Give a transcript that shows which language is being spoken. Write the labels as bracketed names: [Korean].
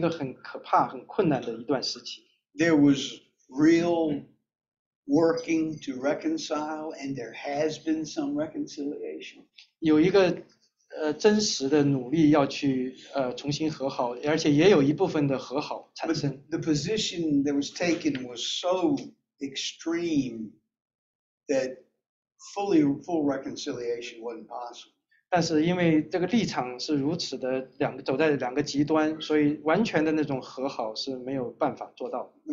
[Chinese] 我已经提到了，这是一件很，这是一个很可怕、很困难的一段时期。There [English] was real working to reconcile, and there has been some reconciliation. [Chinese] 有一个真实的努力要去重新和好，而且也有一部分的和好产生。 [English] The position that was taken was so extreme that full reconciliation wasn't possible. [Chinese] 但是因为这个立场是如此的两个走在两个极端，所以完全的那种和好是没有办法做到的。